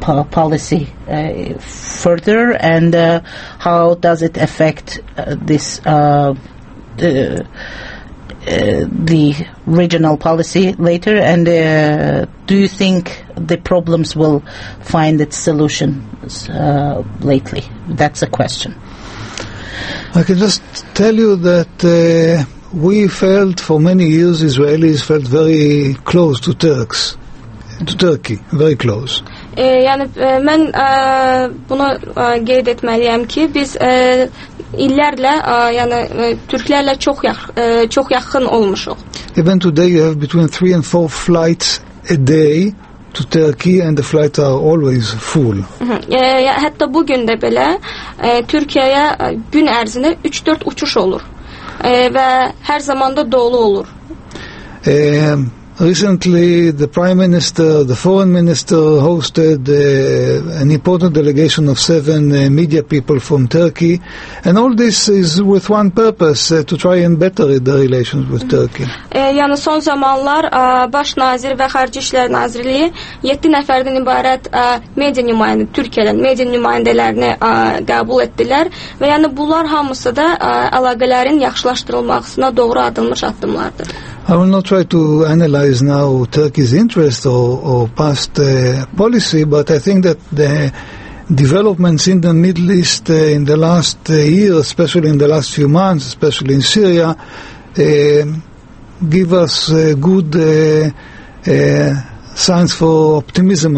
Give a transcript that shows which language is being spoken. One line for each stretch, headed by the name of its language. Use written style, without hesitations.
English: policy further, and how does it affect this the regional policy later, and do you think the problems will find its solutions lately? That's a question. I can just tell you that we felt for many years Israelis felt very close to Turks, to Turkey, very close.
Azerbaijani: Yani ben bunu qeyd etməliyəm ki biz illərlə yani Türklərlə çox çox yaxın olmuşuq.
English: Even today you have between 3 and 4 flights a day to Turkey and the flights are always full.
Azerbaijani: Hətta bu gün də belə Türkiyəyə gün ərzində 3-4 uçuş olur. Və hər zaman da dolu olur.
English: Recently the prime minister, the foreign minister hosted an important delegation of 7 media people from Turkey, and all this is with one purpose, to try and better the relations with Turkey.
Azerbaijani: Yəni son zamanlar baş nazir və xarici işlər nazirliyi 7 nəfərdən ibarət media nümayəndə Türkiyədən media nümayəndələrini qəbul etdilər və yəni bunlar hamısı da əlaqələrin yaxşılaşdırılmasına doğru adımlar atdımlardır.
English: I will not try to analyze now Turkey's interest or past policy, but I think that the developments in the Middle East in the last year, especially in the last few months, especially in Syria, give us good signs for optimism.